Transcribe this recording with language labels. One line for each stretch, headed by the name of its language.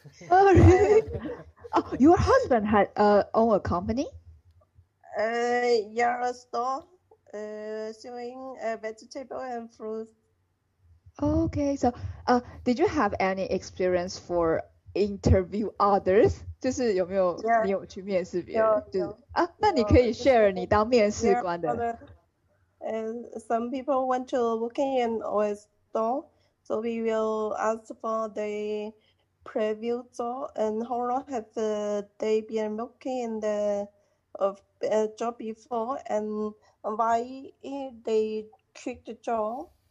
English: Oh, really? Your husband had own a company? Yeah, a store. Showing vegetable and fruit. Okay, so did you have any experience for interview others?
Chinese: 就是有没有你有去面试别人？
English: Yeah,
Chinese: 就是 yeah, 啊，那你可以 share 你当面试官的。
English: Some people want to work in an old store, so we will ask for the preview job and how long have they been working in the job before and why they quit the job.